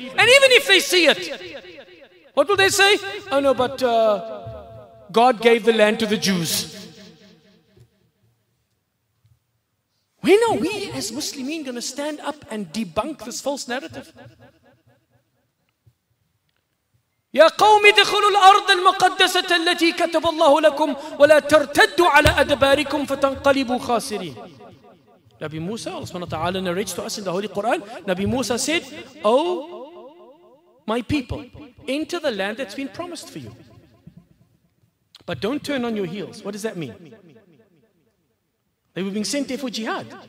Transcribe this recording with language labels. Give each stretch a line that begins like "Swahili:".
English: And even if they see it, what will they say? Oh no, but God gave the land to the Jews. When are we as Muslimin going to stand up and debunk this false narrative?
Arabic: يا قوم ادخلوا الأرض المقدسة التي كتب الله لكم ولا ترتدوا على أدباركم فتنقلبوا خاسرين.
English: Nabi Musa, Allah subhanahu wa ta'ala narrates to us in the Holy Quran, Nabi Musa said, oh my people, enter the land that's been promised for you. But don't turn on your heels. What does that mean? They were being sent there for jihad.